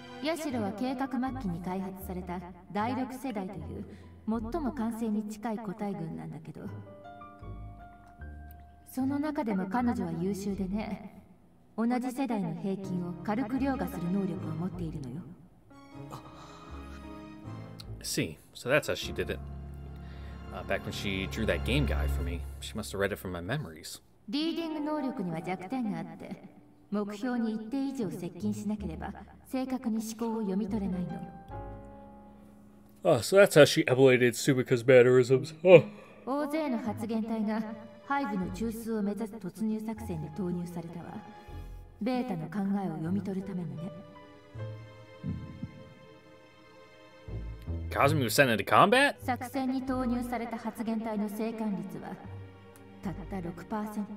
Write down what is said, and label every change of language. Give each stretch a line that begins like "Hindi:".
Japanese: ヤシロは計画末期に開発された第6世代という最も完成に近い個体群なんだけど、その中でも彼女は優秀でね、同じ世代の平均を軽く凌駕する能力を持っているのよ。
English: See, so that's how she did it. Back when she drew that game guy for me, she must have read it from my memories.
Japanese: リーディング能力には弱点があって、目標に一定以上接近しなければ正確に思考を読み取れないの。
English: Oh, so that's how she ablated Subika's mannerisms. Oh.
Japanese: 大勢の発言体が背部の中枢を目指す突入作戦に投入されたわ。ベータの考えを読み取るためのね。
English: Kazumi was sent into combat?
Japanese: 作戦に投入された発言体の生還率はたった 6%。